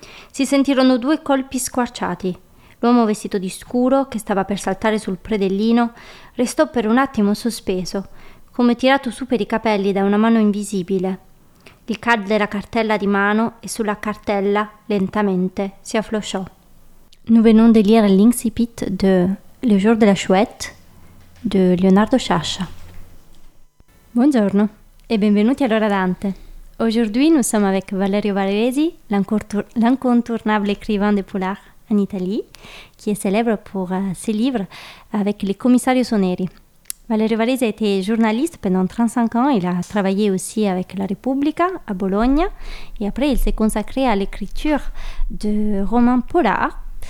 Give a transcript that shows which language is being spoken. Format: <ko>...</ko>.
<it>Si sentirono due colpi squarciati. L'uomo vestito di scuro, che stava per saltare sul predellino, restò per un attimo sospeso, come tirato su per i capelli da una mano invisibile. Gli cadde la cartella di mano e sulla cartella, lentamente, si afflosciò.</it> <fr>Nous venons de lire l'incipit de Le jour de la chouette de Leonardo Sciascia.</fr> <it>Buongiorno e benvenuti all'Ora Dante.</it> <fr>Aujourd'hui, nous sommes avec Valerio Varesi, l'incontournable écrivain de polar en Italie, qui est célèbre pour ses livres avec Les commissaires Soneri. Valerio Varesi a été journaliste pendant 35 ans, il a travaillé aussi avec La Repubblica à Bologne, et après il s'est consacré à l'écriture de romans polar.</fr>